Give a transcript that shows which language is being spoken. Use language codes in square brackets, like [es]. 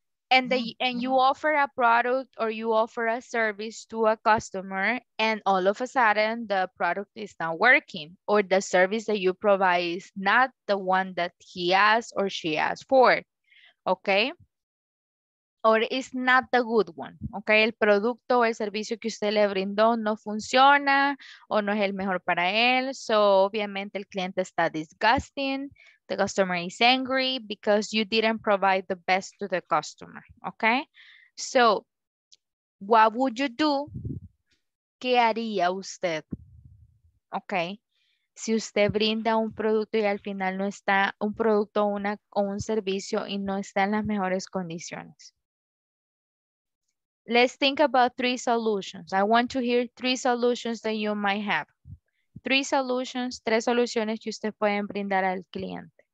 [en] And you offer a product or you offer a service to a customer and all of a sudden the product is not working or the service that you provide is not the one that he asked or she asked for, okay? Or it's not the good one, okay? [es] El producto o el servicio que usted le brindó no funciona o no es el mejor para él. So obviamente el cliente está disgusting. [en] The customer is angry because you didn't provide the best to the customer, okay? So, what would you do? [es] ¿Qué haría usted? [en] Okay. [es] Si usted brinda un producto y al final no está un producto o un servicio y no está en las mejores condiciones. [en] Let's think about three solutions. I want to hear three solutions that you might have. [es] Tres soluciones que usted pueden brindar al cliente.